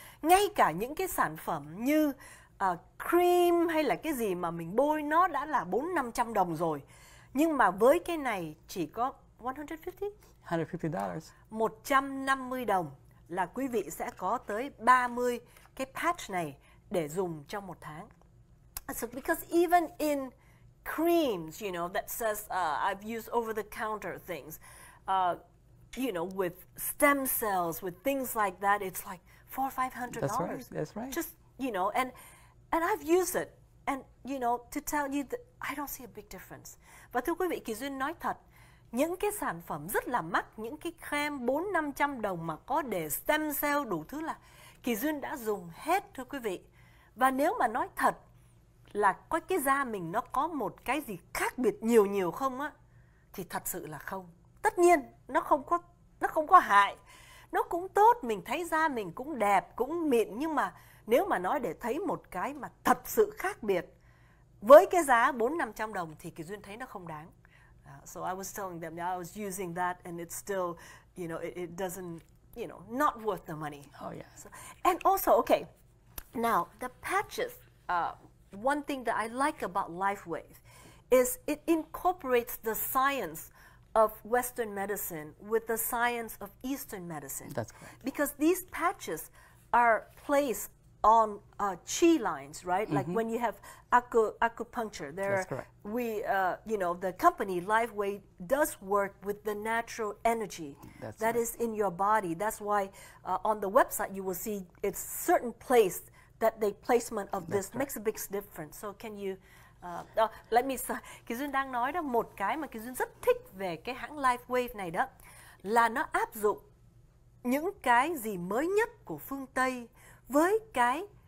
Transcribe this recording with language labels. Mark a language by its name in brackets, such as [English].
[Vietnamese] Ngay cả những cái sản phẩm như cream hay là cái gì mà mình bôi nó đã là 400-500 đồng rồi. Nhưng mà với cái này chỉ có $150 là quý vị sẽ có tới 30 cái patch này để dùng trong một tháng. [English] So because even in creams, you know, that says I've used over-the-counter things, you know, with stem cells, with things like that, it's like $400-$500. That's right. Just, you know, and I've used it. And, you know, to tell you that I don't see a big difference. [Vietnamese] Và thưa quý vị, Kỳ Duyên nói thật, những cái sản phẩm rất là mắc, những cái cream 400-500 đồng mà có để stem cell đủ thứ là Kỳ Duyên đã dùng hết, thưa quý vị. Và nếu mà nói thật là có cái da mình nó có một cái gì khác biệt nhiều nhiều không á, thì thật sự là không. Tất nhiên nó không có hại, nó cũng tốt, mình thấy da mình cũng đẹp, cũng mịn. Nhưng mà nếu mà nói để thấy một cái mà thật sự khác biệt với cái giá 400-500 đồng thì Kỳ Duyên thấy nó không đáng. [English] So I was telling them that I was using that and it's still, you know, it doesn't, you know, not worth the money. Oh yeah. So, and also, okay, now the patches, one thing that I like about LifeWave is it incorporates the science of Western medicine with the science of Eastern medicine. That's correct. Because these patches are placed on chi lines, right? Mm-hmm. Like when you have acupuncture, there you know, the company LifeWave does work with the natural energy that is in your body. That's why on the website you will see it's certain place that the placement of this makes a big difference. So can you let me say, [Vietnamese] Kỳ Duyên đang nói đó, một cái mà Kỳ Duyên rất thích về cái hãng LifeWave này đó là nó áp dụng những cái gì mới nhất của phương Tây với cái